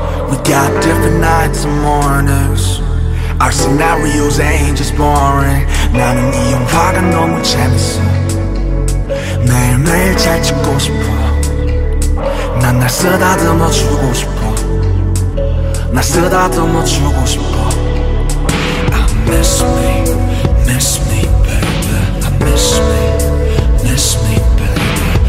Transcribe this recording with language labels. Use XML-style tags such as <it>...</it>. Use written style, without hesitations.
<en>We got different nights and mornings. Our scenarios ain't just boring.</en> <ko>나는 이 영화가 너무 재밌어. 매일매일 잘 찍고 싶어. 난 날 쓰다듬어 주고 싶어. 날 쓰다듬어 주고 싶어.</ko> <en>I miss me, miss me, baby. I miss me, miss me, baby.</en>